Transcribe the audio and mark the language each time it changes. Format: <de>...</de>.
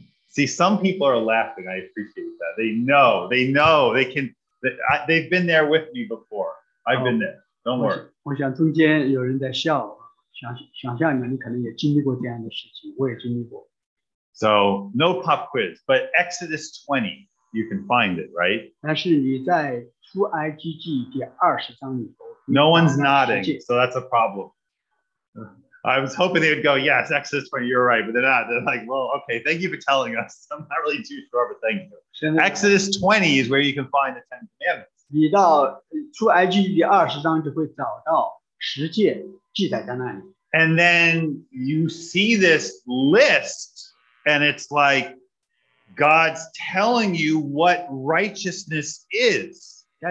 <en>See, some people are laughing. I appreciate that. They know. They've been there with me before. I've been there. Don't worry.</en> <zh>我想中间有人在笑，想象你们可能也经历过这样的事情，我也经历过。</zh> <en>So, no pop quiz, but Exodus 20, you can find it, right?</en> <zh>但是你在出埃及记第20章里头,</zh> <en>no one's nodding, so that's a problem. I was hoping they would go, yes, Exodus 20, you're right, but they're not. They're like, well, okay, thank you for telling us. I'm not really too sure, but thank you. Exodus 20 is where you can find the Ten Commandments.</en> <zh>你到出埃及记第20章就会找到十诫记载在那里。</zh> <en>And then you see this list. And it's like God's telling you what righteousness is.</en>